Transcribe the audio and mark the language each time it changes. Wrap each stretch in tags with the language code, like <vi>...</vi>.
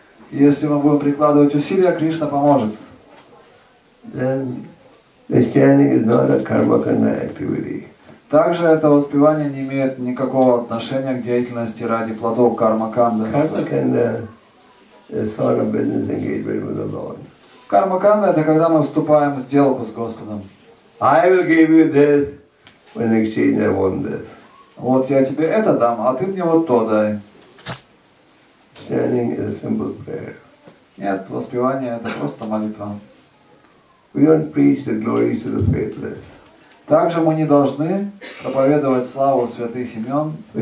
<ru>Если мы будем прикладывать усилия, Кришна поможет.</ru> <en>Then this chanting is not a karmakarma activity.</en> <ru>Также это воспевание не имеет никакого отношения к деятельности ради плодов карма-канды. Карма-канда – это</ru> <en>sort of business engagement with the Lord.</en> <ru>Карма-канда – это когда мы вступаем в сделку с Господом.</ru> <en>I will give you this, but in exchange I want this.</en> <ru>Вот я тебе это дам, а ты мне вот то дай.</ru> <en>Chanting is a simple prayer.</en> <ru>Нет, воспевание – это просто молитва.</ru> <en>We don't preach the glories to the faithless.</en> <ru>Также мы не должны проповедовать славу святых имен</ru>